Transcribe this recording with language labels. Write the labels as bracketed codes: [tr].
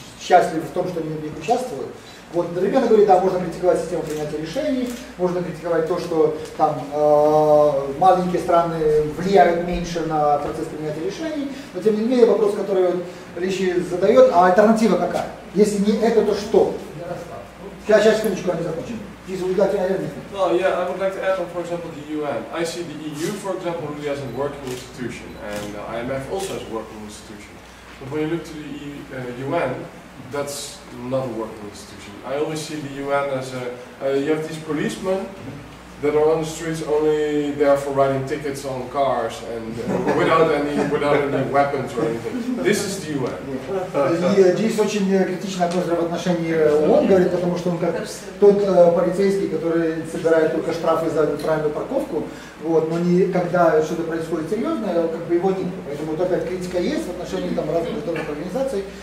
[ru] счастливы в том, что они в них участвуют. Вот, одновременно говорит, да, можно критиковать систему принятия решений, можно критиковать то, что там маленькие страны влияют меньше на процесс принятия решений, но тем не менее вопрос, который вот Ричи задает, а альтернатива какая? Если не это, то что? Сейчас, секундочку, они закончим. [en] No, yeah, I would like to add on, for example, the UN. I see the EU, for example, really as a working institution, and IMF also as a working institution. But when you look to the UN, that's not a working institution. I always see the UN as a... you have these policemen that are on the streets only there for writing tickets on cars and without any weapons or anything. This is the UN. [ru] Здесь очень критичный отношение в отношении ООН, говорит, потому что он как тот полицейский, который собирает только штрафы за неправильную парковку. Вот, но не, когда что-то происходит серьезное, как бы его нет. Поэтому вот опять критика есть в отношении там, разных международных организаций.